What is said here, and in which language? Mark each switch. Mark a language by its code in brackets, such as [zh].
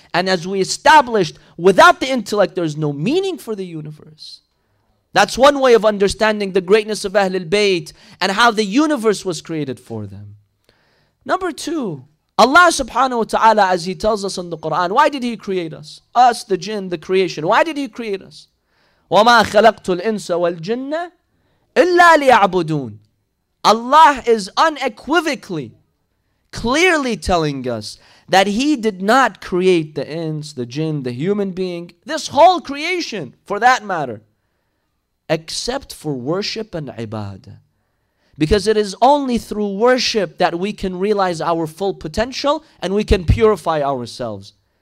[en] And as we established, without the intellect there is no meaning for the universe. That's one way of understanding the greatness of Ahlul Bayt and how the universe was created for them. Number two, Allah subhanahu wa ta'ala, as He tells us in the Quran, why did He create us? Us, the jinn, the creation. Why did He create us? [ar] وَمَا خَلَقْتُ الْإِنسَ وَالْجِنَّ إِلَّا لِيَعْبُدُونَ [en] Allah is unequivocally clearly telling us that he did not create the ins, the jinn, the human being, this whole creation for that matter, except for worship and ibadah. Because it is only through worship that we can realize our full potential and we can purify ourselves.